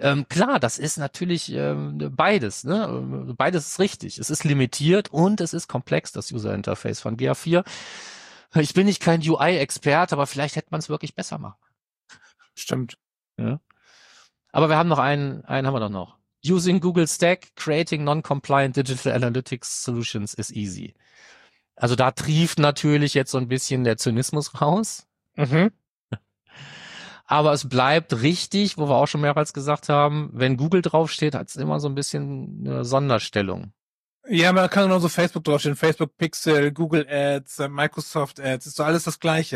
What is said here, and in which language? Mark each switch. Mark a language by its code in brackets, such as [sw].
[de] Klar, das ist natürlich beides, ne? Beides ist richtig. Es ist limitiert und es ist komplex, das User Interface von GA4. Ich bin nicht kein UI-Experte, aber vielleicht hätte man es wirklich besser machen. Stimmt. Ja. Aber wir haben noch einen haben wir doch noch. [en] Using Google Stack, creating non-compliant digital analytics solutions is easy. [de] Also da trieft natürlich jetzt so ein bisschen der Zynismus raus. Aber es bleibt richtig, wo wir auch schon mehrmals gesagt haben, wenn Google draufsteht, hat es immer so ein bisschen eine Sonderstellung. Ja, man kann genauso Facebook draufstehen. Facebook Pixel, Google Ads, Microsoft Ads, ist so alles das Gleiche.